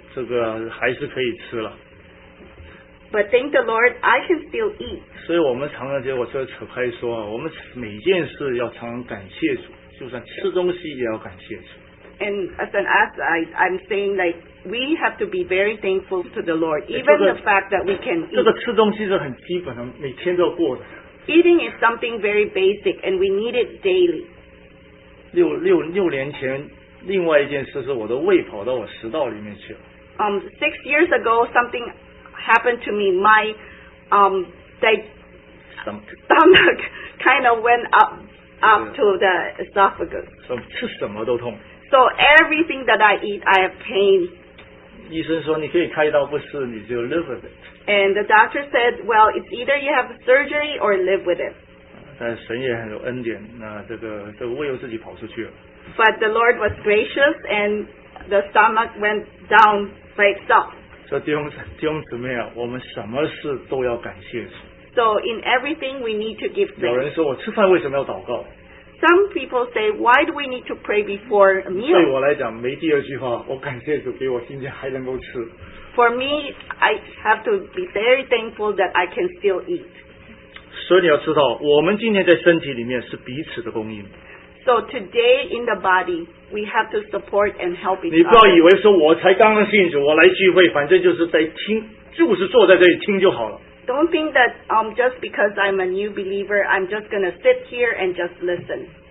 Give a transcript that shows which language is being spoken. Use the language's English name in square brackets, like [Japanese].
[Chinese] 这个，但是感谢主，这个还是可以吃了。 [English] But thank the Lord, I can still eat. [Chinese] 所以我们常常就我这扯开说，我们每件事要常常感谢主，就算吃东西也要感谢主。 [English] And as an aside, I'm saying that we have to be very thankful to the Lord, even [Chinese] 这个, [English] the fact that we can eat. [Chinese] 这个吃东西是很基本的, 每天都要过的。 [English] Eating is something very basic, and we need it daily. [Chinese] 六年前, 另外一件事是我的胃跑到我食道里面去了。 [English] Six years ago, something happened to me. My stomach kind of went up to the esophagus. [Chinese] 吃什么都痛。 [English] So everything that I eat, I have pain. [Chinese] 医生说你可以开刀不试，你就 [English] live with it. And the doctor said, well, it's either you have surgery or live with it. [Chinese] 但神也很有恩典，那这个胃又自己跑出去了。 [English] But the Lord was gracious, and the stomach went down by itself. [Chinese] 所以弟兄姊妹啊，我们什么事都要感谢主。 [English] So in everything, we need to give thanks. [Chinese] 有人说我吃饭为什么要祷告？ [English] Some people say, why do we need to pray before a meal? [Chinese] 对我来讲, 没第二句话, 我感谢主给我今天还能够吃。 [English] For me, I have to be very thankful that I can still eat. [Chinese] 所以你要知道, 我们今天在身体里面是彼此的供应。 [English] So today in the body, we have to support and help each other. [Chinese] 你不要以为说我才刚刚信主, 我来聚会, 反正就是在听, 就是坐在这里听就好了。 [English] Don't think that just because I'm a new believer, I'm just going to sit here and just listen.